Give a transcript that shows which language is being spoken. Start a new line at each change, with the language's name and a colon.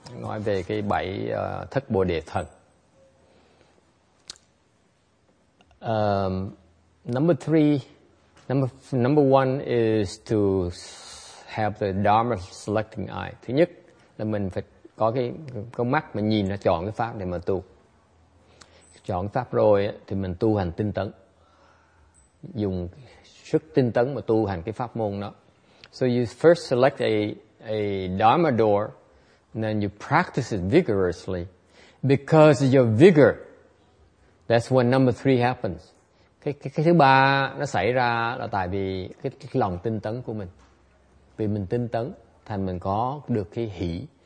Vietnamese: nói về cái bảy thất bồ đề thần.
English: Number one is to have the Dharma selecting eye.
Vietnamese: Thứ nhất là mình phải có cái con mắt mà nhìn nó chọn cái pháp để mà tu. Chọn pháp rồi thì mình tu hành tinh tấn, dùng sức tinh tấn mà tu hành cái pháp môn đó.
English: So you first select a Dharma door, and then you practice it vigorously. Because of your vigor, that's when number three happens.
Vietnamese: Cái thứ ba nó xảy ra là tại vì cái lòng tinh tấn của mình. Vì mình tinh tấn thành mình có được cái hỷ.